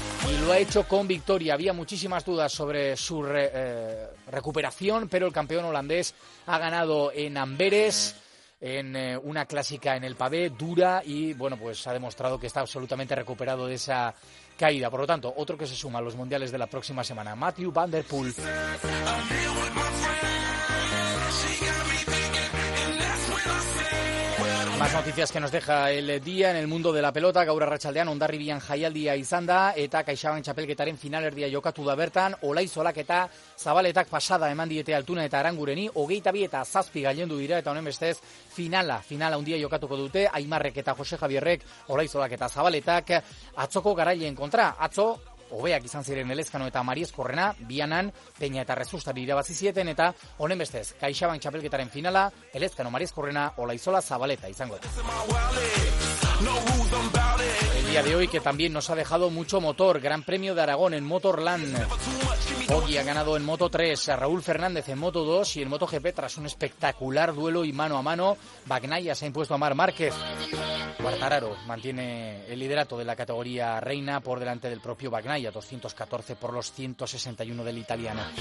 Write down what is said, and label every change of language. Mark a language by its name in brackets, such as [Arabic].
[Spanish] y lo ha hecho con victoria. Había muchísimas dudas sobre su recuperación, pero el campeón holandés ha ganado en Amberes, en una clásica en el pavé, dura, y bueno, pues ha demostrado que está absolutamente recuperado de esa caída. Por lo tanto, otro que se suma a los mundiales de la próxima semana, Matthew Van Der Poel. Más noticias que nos deja el día en el mundo de la pelota. [Basque] Gaur arratsaldean Hondarribian jaialdia izan da, eta CaixaBank txapelketaren finalerdia jokatu da bertan. Olaizolak eta Zabaletak pasada eman diete Altuna eta Arangureni, 22-7 gailendu dira, eta honen bestez finala handia jokatuko dute Aimarrek eta Jose Javierrek, Olaizolak eta Zabaletak, atzoko garaileen kontra. Atzo hobeak izan ziren Elezkano eta Mariezkorrena, bianan Peña eta Rezustari irabazi zieten, eta honen bestez CaixaBank txapelketaren finala Elezkano Mariezkorrena Olaizola Zabaleta izango da. [Spanish] El día de hoy que también nos ha dejado mucho motor, Gran Premio de Aragón en Motorland. Oggi ha ganado en Moto3, Raúl Fernández en Moto2 y en MotoGP tras un espectacular duelo y mano a mano. Bagnaia se ha impuesto a Marc Márquez. Quartararo mantiene el liderato de la categoría reina por delante del propio Bagnaia, 214 por los 161 del italiano.